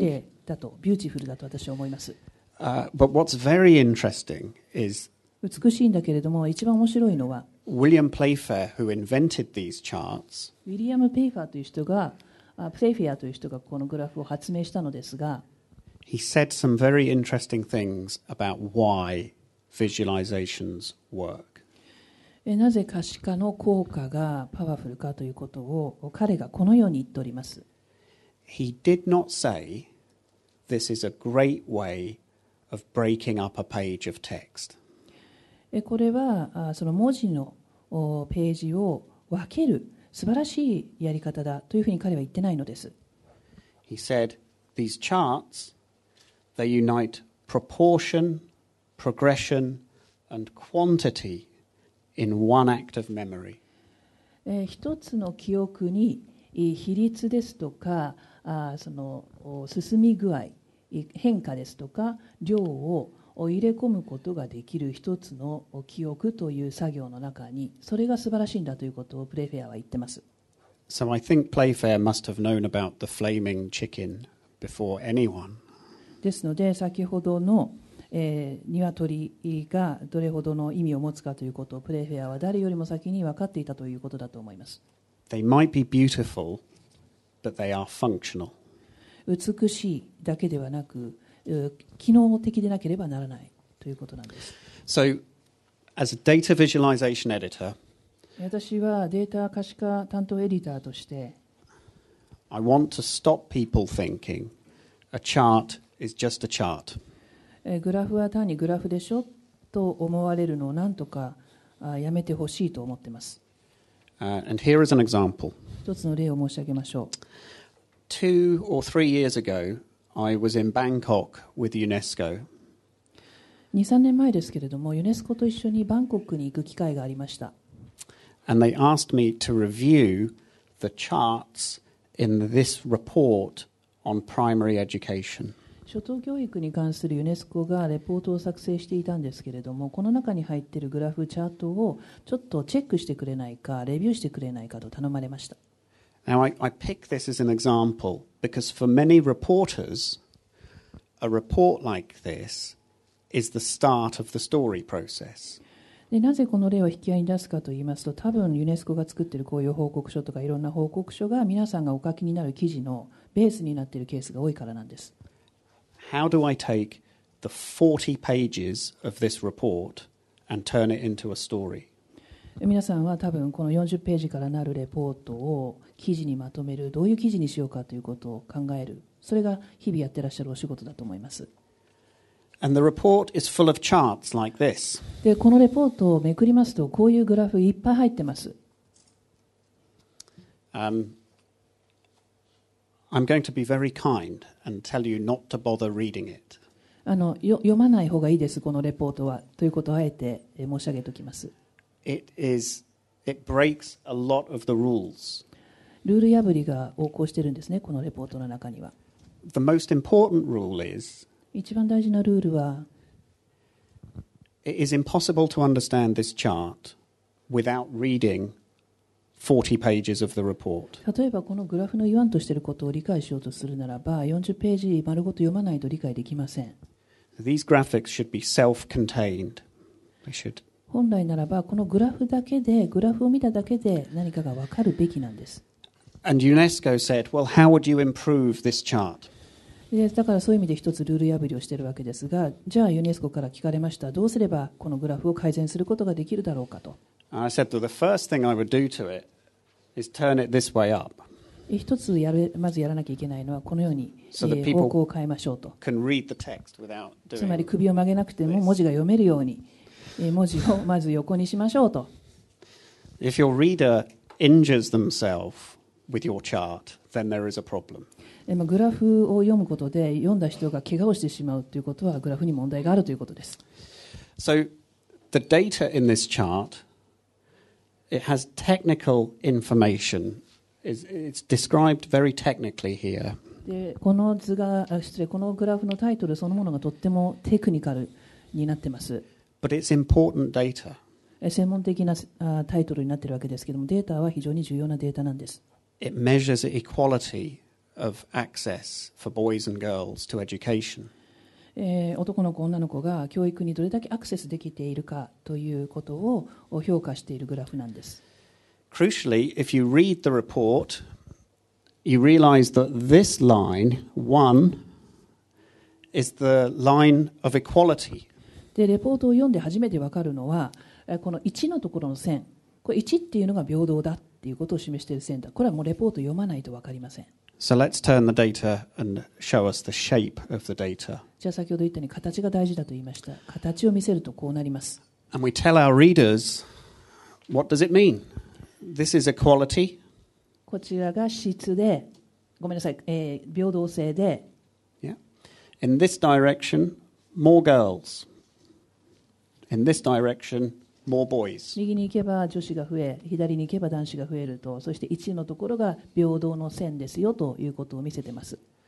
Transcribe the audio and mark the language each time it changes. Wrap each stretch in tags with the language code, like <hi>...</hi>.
<ja>綺麗だと、ビューティフルだと私は思います。</ja> <en>But what's very interesting is</en> <ja>美しいんだけれども、一番面白いのは</ja> <en>William Playfair, who invented these charts,</en> <ja>ウィリアム・ペイファーという人が、プレイフェアという人がこのグラフを発明したのですが、</ja> <en>He said some very interesting things about why visualizations work.</en> <ja>なぜ可視化の効果がパワフルかということを彼がこのように言っております。</ja> <en>He did not say this is a great way of breaking up a page of text.</en> <ja>これはその文字のページを分ける素晴らしいやり方だというふうに彼は言ってないのです。</ja> <en>He said these charts. They unite proportion, progression, and quantity in one act of memory.</en> <ja>一つの記憶に比率ですとか、その進み具合、変化ですとか、量を入れ込むことができる一つの記憶という作業の中に、それが素晴らしいんだということをプレイフェアは言ってます。</ja> <en>So I think Playfair must have known about the flaming chicken before anyone.</en> <ja>ですので先ほどの、鶏がどれほどの意味を持つかということをプレフェアは誰よりも先に分かっていたということだと思います。</ja> <en>They might be beautiful, but they are functional.</en> <ja>美しいだけではなく、機能的でなければならないということなんです。</ja> <en>So, as a data visualization editor,</en> <ja>私はデータ可視化担当エディターとして、</ja> <en>I want to stop people thinking a chart. Is just a chart.</en> <ja>グラフは単にグラフでしょと思われるのをなんとかやめてほしいと思ってます。</ja> <en>And here is an example.</en> <ja>一つの例を申し上げましょう。</ja> <en>Two or three years ago, I was in Bangkok with UNESCO.</en> <ja>2、3年前ですけれども、ユネスコと一緒にバンコクに行く機会がありました。</ja> <en>And they asked me to review the charts in this report on primary education.</en> <ja>初等教育に関するユネスコがレポートを作成していたんですけれども、この中に入っているグラフチャートをちょっとチェックしてくれないか、レビューしてくれないかと頼まれました。</ja> <en>Now, I pick this as an example because for many reporters, a report like this is the start of the story process.</en> <ja>でなぜこの例を引き合いに出すかといいますと、多分ユネスコが作っているこういう報告書とかいろんな報告書が皆さんがお書きになる記事のベースになっているケースが多いからなんです。</ja> <en>How do I take the 40 pages of this report and turn it into a story?</en> <ja>皆さんは多分この40ページからなるレポートを記事にまとめる、どういう記事にしようかということを考える、それが日々やってらっしゃるお仕事だと思います。</ja> <en>And the report is full of charts like this.</en> <ja>で、このレポートをめくりますと、こういうグラフいっぱい入ってます。</ja> <en>I'm going to be very kind and tell you not to bother reading it.</en> <ja>読まない方がいいです、このレポートは。ということをあえて申し上げておきます。</ja> <en>It breaks a lot of the rules.</en> <ja>ルール破りが横行してるんですね、このレポートの中には。</ja> <en>The most important rule is,</en> <ja>一番大事なルールは、</ja> <en>It is impossible to understand this chart without reading40 pages of the report.</en> <ja>例えばこのグラフの言わんとしていることを理解しようとするならば、40ページ丸ごと読まないと理解できません。</ja> <en>These graphics should be self-contained. They should.</en> <ja>本来ならばこのグラフだけで、グラフを見ただけで何かが分かるべきなんです。</ja> <en>And UNESCO said, well, how would you improve this chart?</en> <ja>だからそういう意味で一つルール破りをしているわけですが、じゃあユネスコから聞かれました、どうすればこのグラフを改善することができるだろうかと。</ja> <en>I said that the first thing I would do to it is turn it this way up.</en> <ja>一つやる、まずやらなきゃいけないのはこのように、方向を変えましょうと。</ja> <en>Can read the text without doing this.</en> <ja>つまり首を曲げなくても文字が読めるように、文字をまず横にしましょうと。</ja> <en>If your reader injures themselves with your chart, then there is a problem.</en> <ja>グラフを読むことで読んだ人が怪我をしてしまうということはグラフに問題があるということです。</ja> <en>So the data in this chart. It has technical information. It's described very technically here.</en> <ja>で、この図が、失礼、このグラフのタイトルそのものがとってもテクニカルになってます。</ja> <en>But it's important data.</en> <ja>専門的なタイトルになってるわけですけども、データは非常に重要なデータなんです。</ja> <en>It measures equality of access for boys and girls to education.</en> <ja>男の子女の子が教育にどれだけアクセスできているかということを評価しているグラフなんです。</ja> <en>Crucially, if you read the report, you realize that this line, one, is the line of equality.</en> <ja>で、レポートを読んで初めて分かるのは、この1のところの線、これ1っていうのが平等だっていうことを示している線だ。これはもうレポート読まないと分かりません。</ja> <en>So let's turn the data and show us the shape of the data.</en> <ja>じゃあ先ほど言ったように形が大事だと言いました。形を見せるとこうなります。</ja> <en>And we tell our readers, what does it mean? This is equality.</en> <ja>こちらが質で、ごめんなさい、平等性で。</ja> <en>Yeah. In this direction, more girls. In this direction, more boys.</en> <ja>右に行けば女子が増え、左に行けば男子が増えると、そして1のところが平等の線ですよということを見せてます。</ja>